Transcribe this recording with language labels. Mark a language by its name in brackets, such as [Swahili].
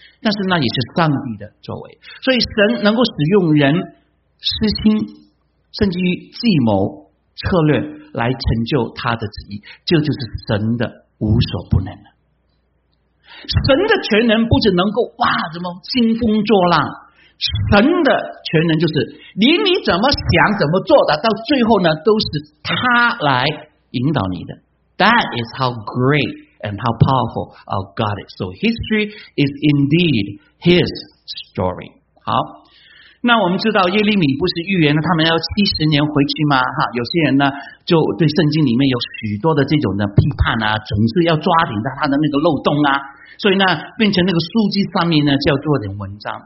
[Chinese] 但是那也是上帝的作为，所以神能够使用人私心，甚至于计谋策略来成就他的旨意，就是神的无所不能。神的全能不只能够哇怎么兴风作浪，神的全能就是连你怎么想怎么做的，到最后呢都是他来引导你的。 [English] That is how great and how powerful our God is. So history is indeed His story. [Chinese] 好，那我们知道耶利米不是预言了他们要70年回去吗？哈，有些人呢就对圣经里面有许多的这种的批判啊，总是要抓紧到他的那个漏洞啊，所以呢变成那个书籍上面呢就要做点文章。